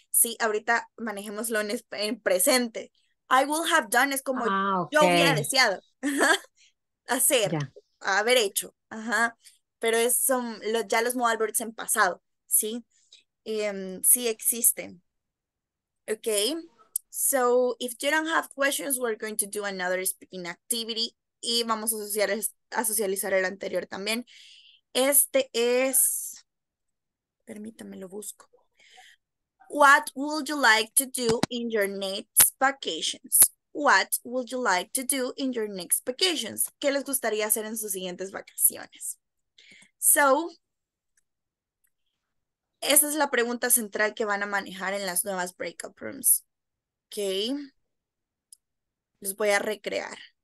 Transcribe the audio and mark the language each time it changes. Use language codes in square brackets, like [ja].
[es] Sí, ahorita manejémoslo en presente. I would have done es como yo hubiera deseado hacer, haber hecho. Ajá. Pero es, son los, ya los modal verbs en pasado, ¿sí? Sí existen. Ok. [en] So, if you don't have questions, we're going to do another speaking activity. [es] Y vamos a socializar el anterior también. Este es. [en] Permítame, lo busco. What would you like to do in your next vacations? What would you like to do in your next vacations? [es] ¿Qué les gustaría hacer en sus siguientes vacaciones? So, esa es la pregunta central que van a manejar en las nuevas breakout rooms. Ok. Los voy a recrear.